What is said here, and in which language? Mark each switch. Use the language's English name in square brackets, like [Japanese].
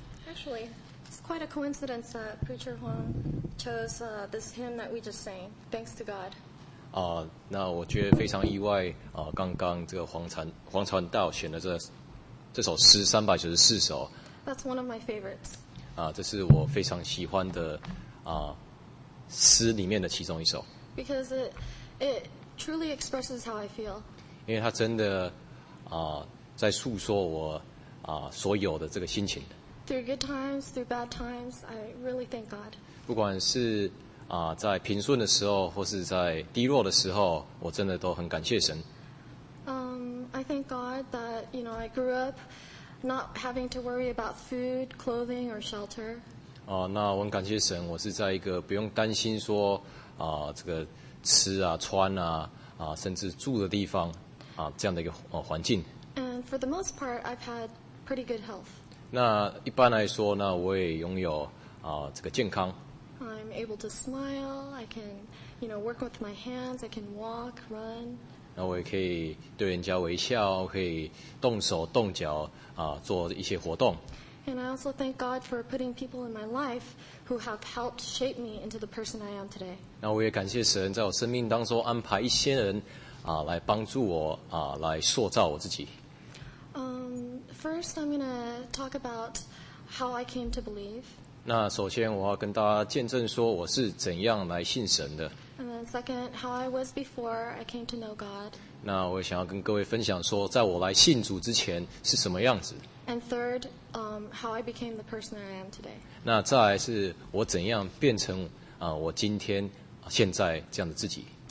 [English] Actually, it's quite a coincidence that Preacher Huang chose this hymn that we just sang. Thanks to God. [Chinese] 那我觉得非常意外刚刚这个黄传道选了这首诗394首。 [English] That's one of my favorites. [Chinese] 这是我非常喜欢的诗里面的其中一首。 [English] Because it truly expresses how I feel. [Chinese] 因为它真的在诉说我所有的这个心情。 [English] Through good times, through bad times, I really thank God. [Chinese] 不管是在平顺的时候，或是在低落的时候，我真的都很感谢神。 [English] I thank God that you know I grew up not having to worry about food, clothing, or shelter. [Chinese] 那我很感谢神，我是在一个不用担心说这个吃啊、穿啊、甚至住的地方这样的一个环境。 [English] And for the most part, I've had pretty good health. [Chinese] 那一般来说呢，我也拥有这个健康。 [English] I'm able to smile. I can, you know, work with my hands. I can walk, run. [Chinese] 那我也可以对人家微笑，可以动手动脚做一些活动。 [English] And I also thank God for putting people in my life who have helped shape me into the person I am today. [Chinese] 那我也感谢神在我生命当中安排一些人来帮助我来塑造我自己。 [English] First, I'm going to talk about how I came to believe. [Chinese] 那首先我要跟大家见证说我是怎样来信神的。 [English] And then second, how I was before I came to know God. [Chinese] 那我想要跟各位分享说，在我来信主之前是什么样子。 [English] And third, how I became the person I am today. [Chinese] 那再来是我怎样变成我今天现在这样的自己。